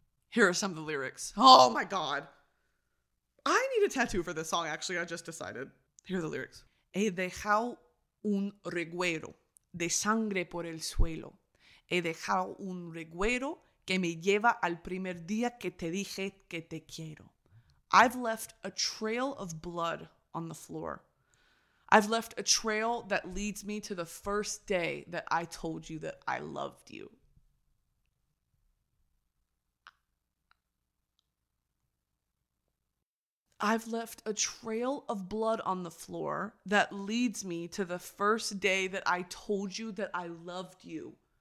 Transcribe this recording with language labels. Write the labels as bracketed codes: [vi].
[en] Here are some of the lyrics. Oh my God. I need a tattoo for this song, actually. I just decided. Here are the lyrics. [es] He dejado un reguero de sangre por el suelo. He dejado un reguero que me lleva al primer día que te dije que te quiero. [en] I've left a trail of blood on the floor. I've left a trail that leads me to the first day that I told you that I loved you. I've left a trail of blood on the floor that leads me to the first day that I told you that I loved you.